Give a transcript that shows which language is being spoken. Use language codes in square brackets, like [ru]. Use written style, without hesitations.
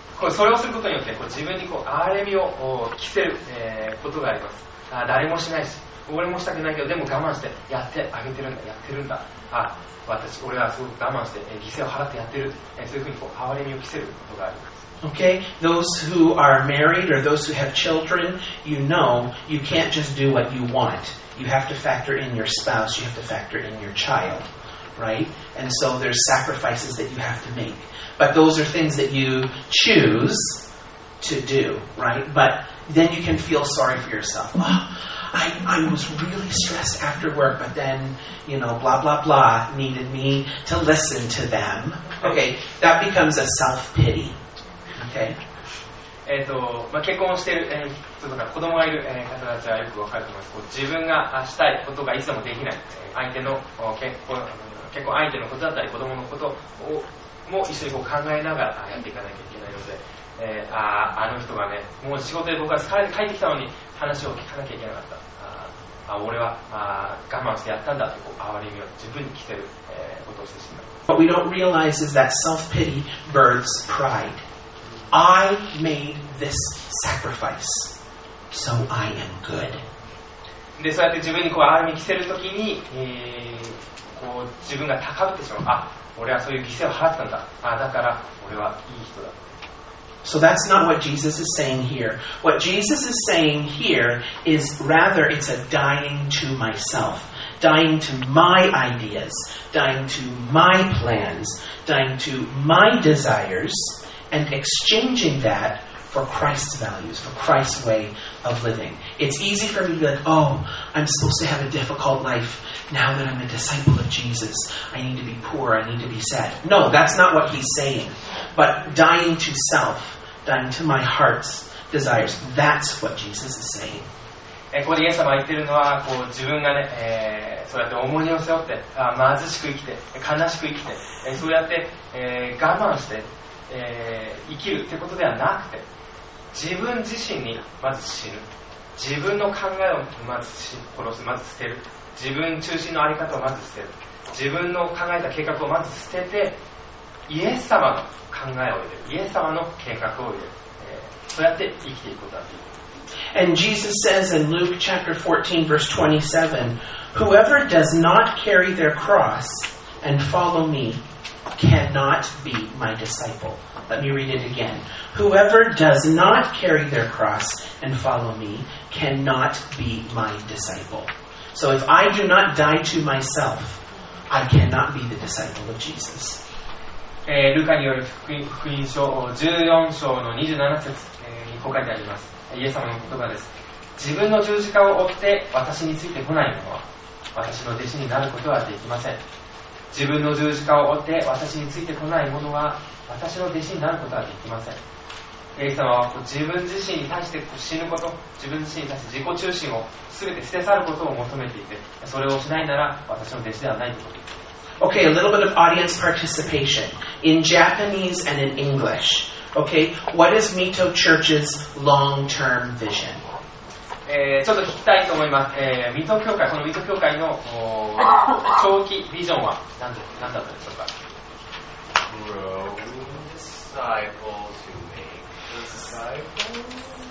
[ja] それをすることによってこう自分にこう憐れみを着せる、ことがあります。あ、誰もしないし、俺もしたくないけど、でも我慢してやってあげてるんだ、やってるんだ。あ、私、俺はすごく我慢して、犠牲を払ってやってる。そういうふうにこう憐れみを着せることがあります。 [en] Okay, those who are married or those who have children, you know, you can't just do what you want. You have to factor in your spouse, you have to factor in your child, right? And so there's sacrifices that you have to make. But those are things that you choose to do, right? But then you can feel sorry for yourself. Oh, I was really stressed after work, but then, you know, blah, blah, blah needed me to listen to them. Okay, that becomes a self-pity. Okay. [ja] まあ、結婚している、人とか子供がいる、方たちはよくわかると思います。こう自分がしたいことがいつでもできない、相手の結婚相手のことだったり子供のことをも一緒にこう考えながらやっていかなきゃいけないので、あの人がねもう仕事で僕が帰ってきたのに話を聞かなきゃいけなかった、あ、俺は我慢してやったんだと哀れみを自分に着せる、ことをしてしまう。 [en] What we don't realize is that self-pity births prideI made this sacrifice, so I am good. [ja] で、そうやって自分にこう憐れみ着せるときに、こう自分が高ぶってしまう。あ、俺はそういう犠牲を払ったんだ。あ、だから俺はいい人だ。 [en] So that's not what Jesus is saying here. What Jesus is saying here is rather it's a dying to myself. Dying to my ideas, dying to my plans, dying to my desires, and exchanging that for Christ's values, for Christ's way of living. It's easy for me to be like, oh, I'm supposed to have a difficult life now that I'm a disciple of Jesus. I need to be poor, I need to be sad. No, that's not what he's saying. But dying to self, dying to my heart's desires, that's what Jesus is saying. [ja] ここでイエス様が言っているのはこう自分がね、そうやって重荷を背負って、あ、貧しく生きて悲しく生きて、そうやって、我慢して、生きるってことではなくて、自分自身にまず死ぬ、自分の考えをまず殺す、まず捨てる、自分中心のあり方をまず捨てる、自分の考えた計画をまず捨ててイエス様の考えを入れる、イエス様の計画を入れる、そうやって生きていくことだと。 [en] And Jesus says in Luke chapter 14, verse 27, whoever does not carry their cross and follow me cannot be my disciple. Let me read it again. Whoever does not carry their cross and follow me cannot be my disciple. So if I do not die to myself, I cannot be the disciple of Jesus. [ja] ルカによる福音書14章の27節にこう書いてあります。イエス様の言葉です。自分の十字架を負って私について来ない者は私の弟子になることはできません。自分の十字架を負って私について来ない者は私の弟子になることはできません。イエス様は自分自身に対して死ぬこと、自分自身に対して自己中心を全て捨て去ることを求めていて、それをしないなら私の弟子ではないということです。 [en] Okay, a little bit of audience participation in Japanese and in EnglishOkay, what is Mito Church's long-term vision? [ja] ちょっと聞きたいと思います。ミト教会、このミト教会の長期ビジョンは何だったでしょうか。 [en] grow disciples who make disciples?